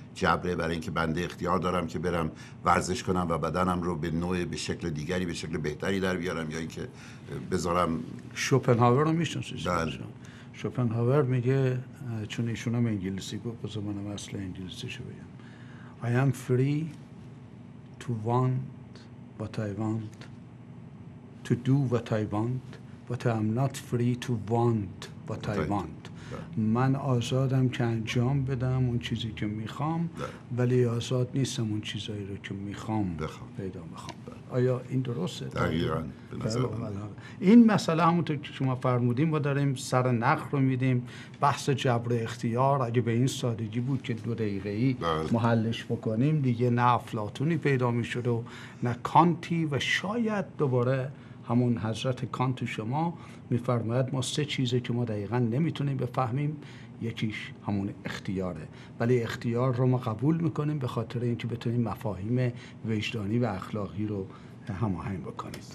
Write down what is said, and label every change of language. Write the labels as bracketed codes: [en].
[fa] جبره، برای اینکه بنده اختیار دارم که برم ورزش کنم و بدنم رو به نوع به شکل دیگری به شکل بهتری در بیارم، یا اینکه بذارم. شوپنهاور رو میشناسید؟ شوپنهاور میگه، چون ایشون هم انگلیسی گفت، بذار منم اصل انگلیسی شو بگم. [en] I am free to want what I want, to do what I want, but I am not free to want what I want. [fa] من آزادم که انجام بدم اون چیزی که میخوام، ولی آزاد نیستم اون چیزایی رو که میخوام پیدا بخوام. آیا این درسته؟ دقیقاً. این مسئله همونطور که شما فرمودیم ما داریم سر نخ رو میدیم. بحث جبر اختیار اگه به این سادگی بود که دو دقیقه ای محلش بکنیم، دیگه نه افلاطونی پیدا میشد و نه کانتی، و شاید دوباره همون حضرت کانت شما میفرماید ما سه چیزی که ما دقیقاً نمیتونیم بفهمیم، یکیش همون اختیاره، ولی اختیار رو ما قبول میکنیم به خاطر اینکه بتونیم مفاهیم وجدانی و اخلاقی رو هماهنگ بکنیم.